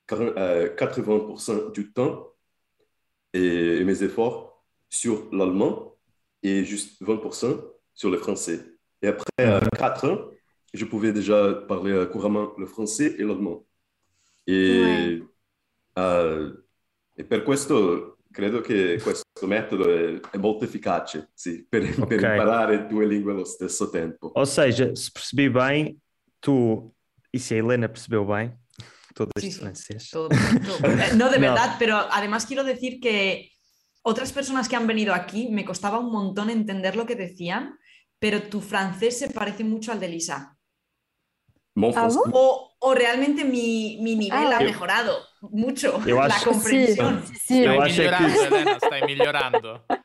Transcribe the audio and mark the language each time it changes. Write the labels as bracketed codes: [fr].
[fr] 80% du temps et mes efforts sur l'allemand et juste 20% sur le français. Et après 4 ans, je pouvais déjà parler couramment le français et l'allemand. [it] Et per questo, credo che questo metodo è molto efficace, sì, per imparare 2 lingue allo stesso tempo. [pt] Ou seja, se percebi bem, tu, e se a Helena percebeu bem, todo este francês. [es] No, de verdad, pero además quiero decir que otras personas que han venido aquí, me costaba un montón entender lo que decían, pero tu francés se parece mucho al de Lisa. O realmente mi nivel ha mejorado mucho la comprensión. Sí. Sí. [it] Stai migliorando, Elena, stai migliorando.